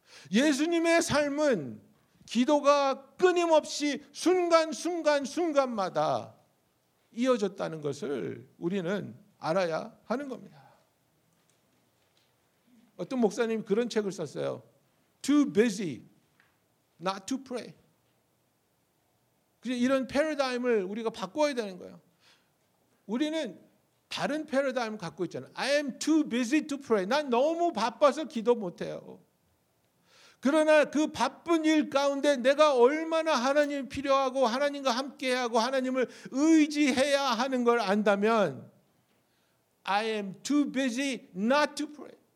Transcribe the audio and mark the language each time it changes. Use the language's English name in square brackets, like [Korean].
[Korean] 예수님의 삶은 기도가 끊임없이 순간순간 순간마다 이어졌다는 것을 우리는 알아야 하는 겁니다. 어떤 목사님이 그런 책을 썼어요. [English] Too busy, not to pray. [Korean] 그래서 이런 패러다임을 우리가 바꿔야 되는 거예요. 우리는 다른 패러다임을 갖고 있잖아요. [English] I am too busy to pray. [Korean] 난 너무 바빠서 기도 못해요. 그러나 그 바쁜 일 가운데 내가 얼마나 하나님이 필요하고 하나님과 함께하고 하나님을 의지해야 하는 걸 안다면 [English] I am too busy not to pray.